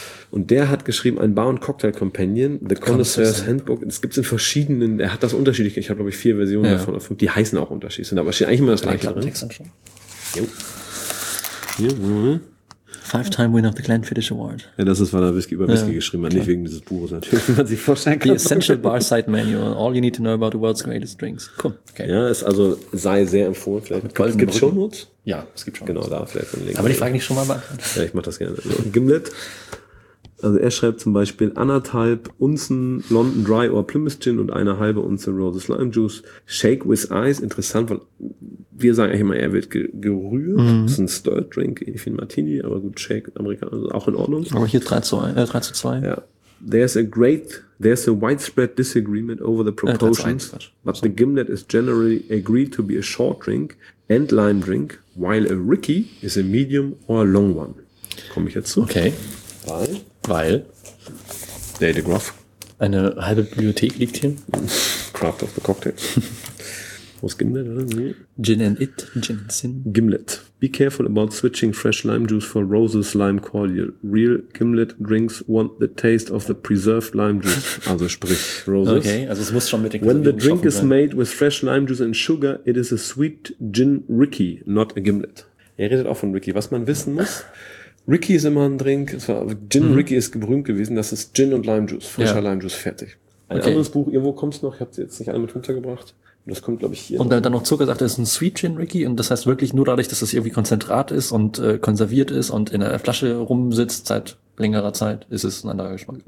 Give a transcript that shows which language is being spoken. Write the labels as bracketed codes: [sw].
[de] Und der hat geschrieben, ein Bar- und Cocktail-Companion, The Connoisseur's Handbook. Das gibt es in verschiedenen, er hat das unterschiedlich, ich habe glaube ich 4 Versionen davon, oder 5, die heißen auch unterschiedlich, sind aber steht eigentlich immer das gleiche drin. [en] Five-time winner of the Glenfiddich Award. [de] Ja, das ist, weil er Whisky über Whisky geschrieben hat, nicht wegen dieses Buches natürlich, wie man sich vorstellen kann. [en] The Essential Barside Manual, all you need to know about the world's greatest drinks. [de] Cool. Okay. Ja, ist also, sei sehr empfohlen. Vielleicht. Es gibt schon Notes? Ja, es gibt schon. Genau, da vielleicht. Aber die Frage nicht schon mal beantwortet. Ja, ich mach das gerne. So, Gimlet. Also er schreibt zum Beispiel, 1,5 Unzen London Dry [en] or [de] Plymouth Gin und 1,5 Unze Roses Lime Juice. [en] Shake with Ice, [de] interessant, weil wir sagen eigentlich immer, er wird gerührt. Mhm. Das ist ein Stirred Drink, ähnlich wie ein Martini, aber gut, Shake, Amerikaner, also auch in Ordnung. Aber hier 3-2. Ja. [en] There's a widespread disagreement over the proportions, but the Gimlet is generally agreed to be a short drink and lime drink, while a Ricky is a medium or a long one. [de] Komme ich jetzt zu. Okay. Weil Dave de Groff. Eine halbe Bibliothek liegt hier. Craft of the Cocktail. Wo ist Gimlet? [en] Gin and it. Gin and sin. Gimlet. Be careful about switching fresh lime juice for Roses Lime Cordial. Real Gimlet drinks want the taste of the preserved lime juice. [de] Also sprich Roses. Okay, also es muss schon mit den [en] When the drink is made with fresh lime juice and sugar, it is a sweet gin Ricky, not a Gimlet. [de] Er redet auch von Ricky. Was man wissen muss, Ricky ist immer ein Drink, Gin Ricky ist berühmt gewesen, das ist Gin und Lime Juice, frischer Lime Juice, fertig. Ein anderes Buch, irgendwo kommt es noch, ich habe es jetzt nicht alle mit runtergebracht, das kommt glaube ich hier. Und noch. Dann noch Zucker sagt, das ist ein Sweet Gin Ricky und das heißt wirklich nur dadurch, dass es das irgendwie Konzentrat ist und konserviert ist und in einer Flasche rumsitzt seit längerer Zeit, ist es ein anderer Geschmack.